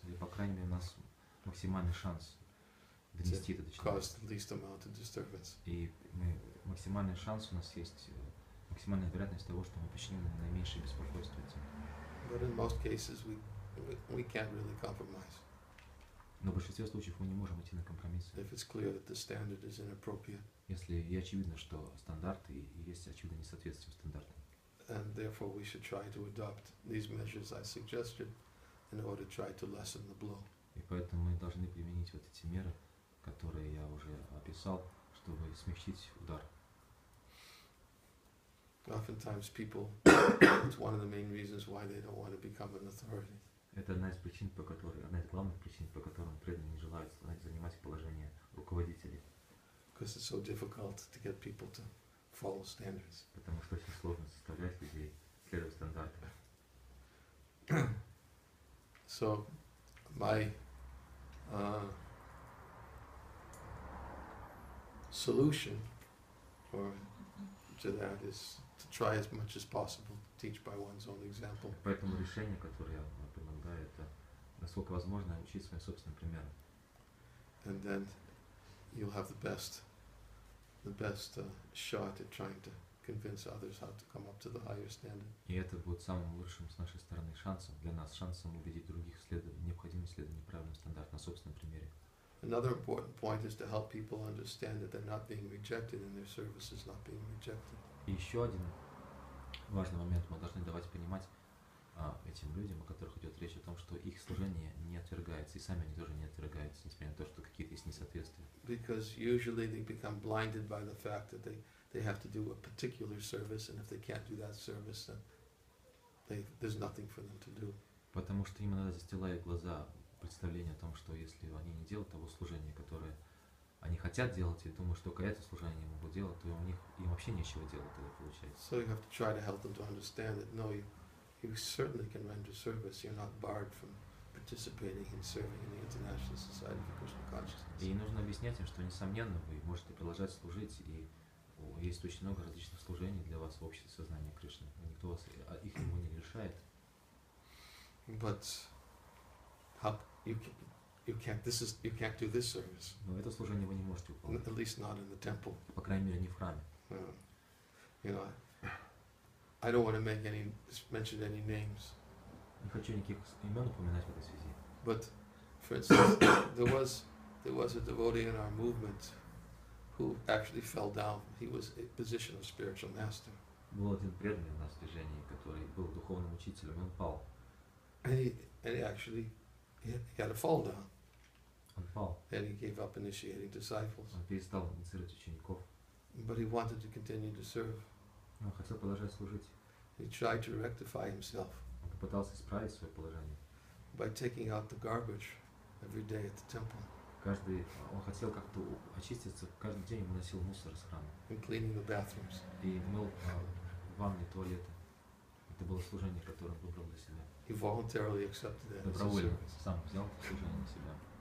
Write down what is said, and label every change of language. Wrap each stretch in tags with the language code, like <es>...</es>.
<ru>Или, по крайней мере, у нас максимальный шанс донести это до человека. И максимальный шанс у нас есть, максимальная вероятность того, что мы причиним наименьшее беспокойство этим.</ru> <en>But in most cases we can't really compromise.</en> <ru>Но в большинстве случаев мы не можем идти на компромиссы.</ru> <en>If it's clear that the standard is inappropriate.</en> <ru>Если и очевидно, что стандарты, и есть очевидное несоответствие стандартам.</ru> <en>And therefore we should try to adopt these measures I suggested in order to try to lessen the blow.</en> <ru>И поэтому мы должны применить вот эти меры, которые я уже описал, чтобы смягчить удар.</ru> <en>Oftentimes people, it's one of the main reasons why they don't want to become an authority.</en> <ru>Это одна из причин, по которой, одна из главных причин, по которым преданные не желают занимать положение руководителей.</ru> <en>Because it's so difficult to get people to follow standards.</en> <ru>Потому что очень сложно заставлять людей следовать стандартам.</ru> <en>So, my solution or to that is to try as much as possible to teach by one's own example.</en> <ru>Поэтому решение, которое я предлагаю, это насколько возможно учить своим собственным примером.</ru> <en>And then you'll have the best shot at trying to convince others how to come up to the higher standard.</en> <ru>И это будет самым лучшим с нашей стороны шансом для нас, шансом убедить других следовать необходимости следования правильного стандарта на собственном примере.</ru> <en>Another important point is to help people understand that they're not being rejected and their service is not being rejected.</en> <ru>Еще один важный момент. Мы должны давать понимать этим людям, о которых идет речь, о том, что их служение не отвергается, и сами они тоже не отвергаются, несмотря на то, что какие-то есть несоответствия.</ru> <en>Because usually they become blinded by the fact that they have to do a particular service, and if they can't do that service, then there's nothing for them to do.</en> <ru>Потому что им иногда застилают глаза представление о том, что если они не делают того служения, которое они хотят делать, и думают, что только это служение они могут делать, то у них им вообще нечего делать тогда получается.</ru> <en>So you have to try to help them to understand that no, you certainly can render service, you're not barred from participating in serving in the International Society for Krishna Consciousness.</en> <ru>И нужно объяснять им, что несомненно вы можете продолжать служить, и есть очень много различных служений для вас в обществе сознания Кришны. Никто вас их ему не лишает.</ru> <en>But you can't do this service.</en> <ru>Но это служение вы не можете выполнять.</ru> <en>At least not in the temple.</en> <ru>По крайней мере, не в храме.</ru> <en>You know, I don't want to mention any names.</en> <ru>Не хочу никаких имен упоминать в этой связи.</ru> <en>But, for instance, there was a devotee in our movement who actually fell down. He was a position of spiritual master.</en> <ru>Был один преданный в нас движении, который был духовным учителем, он пал.</ru> <en>He had a fall down.</en> <ru>Он пал.</ru> <en>And he gave up initiating disciples.</en> <ru>Он перестал инициировать учеников.</ru> <en>But he wanted to continue to serve.</en> <ru>Он хотел продолжать служить.</ru> <en>He tried to rectify himself.</en> <ru>Он попытался исправить свое положение.</ru> <en>By taking out the garbage every day at the temple.</en> <ru>Он хотел как-то очиститься. Каждый день выносил мусор из храма.</ru> <en>And cleaning the bathrooms.</en> <ru>И мыл ванны, туалеты. Это было служение, которое он выбрал для себя.</ru> <en>He voluntarily accepted that.</en> <ru>Добровольно сам взял служение на себя.</ru>